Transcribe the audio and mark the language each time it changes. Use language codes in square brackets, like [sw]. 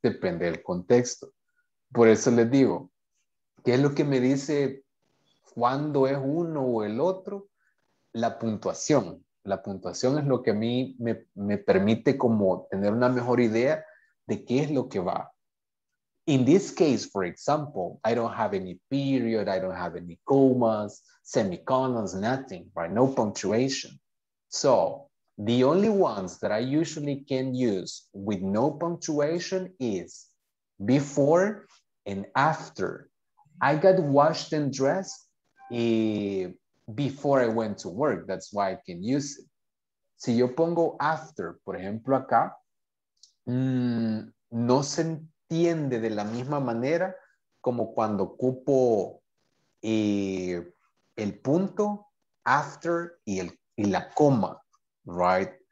[es] Depende del contexto. Por eso les digo, ¿qué es lo que me dice cuándo es uno o el otro? La puntuación, La puntuación es lo que a mí me permite como tener una mejor idea de qué es lo que va. [en] In this case, for example, I don't have any period, I don't have any commas, semicolons, nothing, right? No punctuation. So the only ones that I usually can use with no punctuation is before and after. I got washed and dressed before I went to work. That's why I can use it. [es] Si yo pongo after, por ejemplo, acá, no se entiende de la misma manera como cuando ocupo el punto, after y la coma, right?